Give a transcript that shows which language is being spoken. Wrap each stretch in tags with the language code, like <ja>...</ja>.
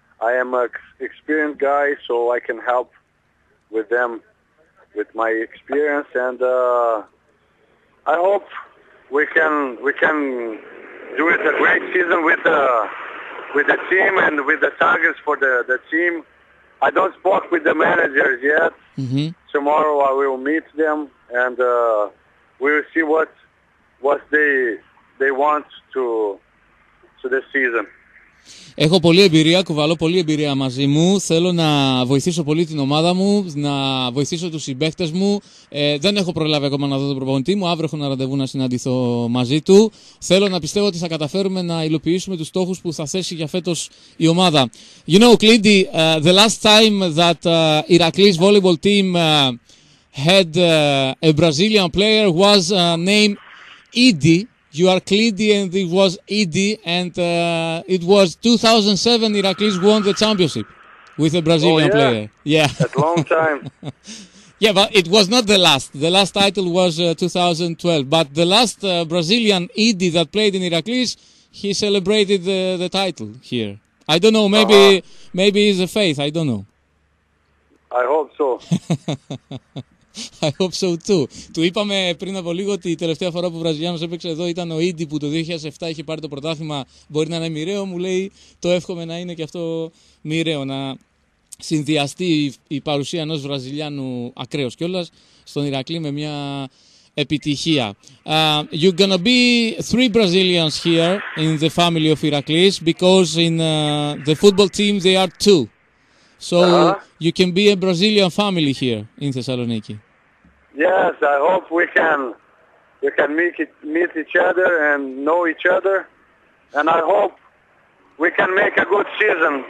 <en>I am an experienced guy, so I can help with them, with my experience, and I hope we can do it a great season with the team and with the targets for the team. I don't speak with the managers yet. Mm-hmm. Tomorrow I will meet them and we will see what they want to this season.</en> <el>Έχω πολλή εμπειρία, κουβαλώ πολλή εμπειρία μαζί μου. Θέλω να βοηθήσω πολύ την ομάδα μου, να βοηθήσω τους συμπαίκτες μου. Δεν έχω προλάβει ακόμα να δω τον προπονητή μου. Αύριο έχω ένα ραντεβού να συναντηθώ μαζί του. Θέλω να πιστεύω ότι θα καταφέρουμε να υλοποιήσουμε τους στόχους που θα θέσει για φέτος η ομάδα.</el> <en>You know, Clindy, the last time that Ηρακλής volleyball team had a Brazilian player was named Edi. You are Clindy and it was Edi, and it was 2007 Ηρακλής won the championship with a Brazilian player. Yeah. That long time. Yeah, but it was not the last. The last title was 2012. But the last Brazilian Edi that played in Ηρακλής, he celebrated the title here. I don't know, maybe maybe it's a faith, I don't know. I hope so. I hope so too.</en> <el>Του είπαμε πριν από λίγο ότι η τελευταία φορά που ο Βραζιλιάνος έπαιξε εδώ ήταν ο Ίντι που το 2007 είχε πάρει το πρωτάθλημα. Μπορεί να είναι μοιραίο, μου λέει. Το εύχομαι να είναι και αυτό μοιραίο, να συνδυαστεί η παρουσία ενός Βραζιλιάνου ακραίος κιόλας στον Ηρακλή με μια επιτυχία.</el> <en>You're gonna be 3 Brazilians here in the family of Ηρακλής because in the football team they are 2. So you can be a Brazilian family here in Thessaloniki. Yes, I hope we can meet each other and know each other, and I hope we can make a good season.</en>